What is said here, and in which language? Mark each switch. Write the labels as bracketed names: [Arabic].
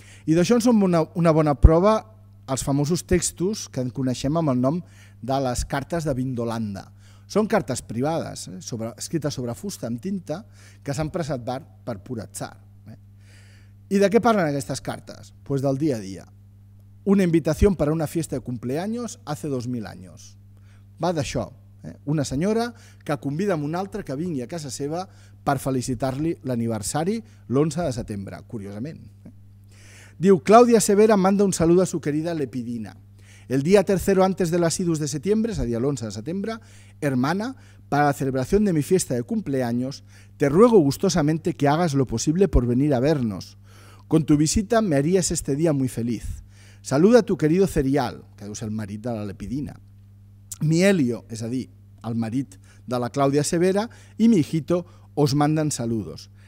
[Catalan] I d'això en som una bona prova els famosos textos que en coneixem amb el nom de les cartes de Vindolanda. Són cartes privades, escrites sobre fusta amb tinta, que s'han preservat per pur atzar. I de què parlen aquestes cartes? Pues del dia a dia. Una invitació per a una [Spanish] fiesta de cumpleaños hace 2000 años. [Catalan] Va d'això. Una senyora que convida amb una altra que vingui a casa seva per felicitar-li l'aniversari l'11 de setembre, curiosament. Diu, [Spanish] Claudia Severa manda un saludo a su querida Lepidina. El día tercero antes de las idus de septiembre, es a día 11 de septiembre, hermana, para la celebración de mi fiesta de cumpleaños, te ruego gustosamente que hagas lo posible por venir a vernos. Con tu visita me harías este día muy feliz. Saluda a tu querido Cerial, [Catalan] que es el marit de la Lepidina, [Spanish] mi Helio, [Catalan] es a dir, el marit de la Claudia Severa, [Spanish] y mi hijito os mandan saludos.